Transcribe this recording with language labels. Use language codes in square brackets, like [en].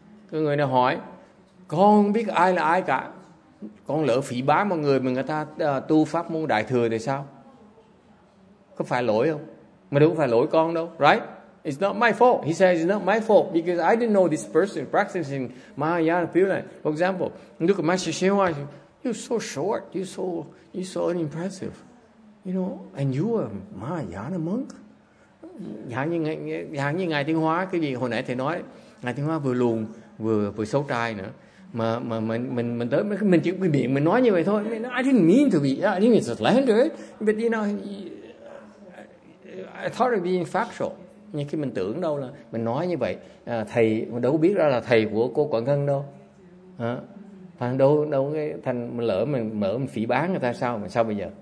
[vi] Cái người này hỏi, con không biết ai là ai cả. Con lỡ phỉ báng một người mà người ta tu pháp môn đại thừa thì sao? Có phải lỗi không? Mà đâu có phải lỗi con đâu. [en] Right? It's not my fault. He says it's not my fault because I didn't know this person practicing Mahayana Pure Land. For example, look at Master Shenhua. You're so short. You're so unimpressive. You know, and you a Mahayana monk? [vi] Giống như ngài Tiên Hóa, cái gì hồi nãy thầy nói, ngài Tiên Hóa vừa lùn vừa xấu trai nữa, mà mình tới mình chỉ bị miệng mình nói như vậy thôi. [en] I didn't mean to be, I didn't mean to slander, but you know, I thought it being factual. [vi] Nhưng khi mình tưởng đâu là mình nói như vậy, thầy đâu biết ra là thầy của cô Quảng Ngân đâu, thằng đâu cái thành lỡ mình mở mình phỉ báng người ta sao, mà sao bây giờ?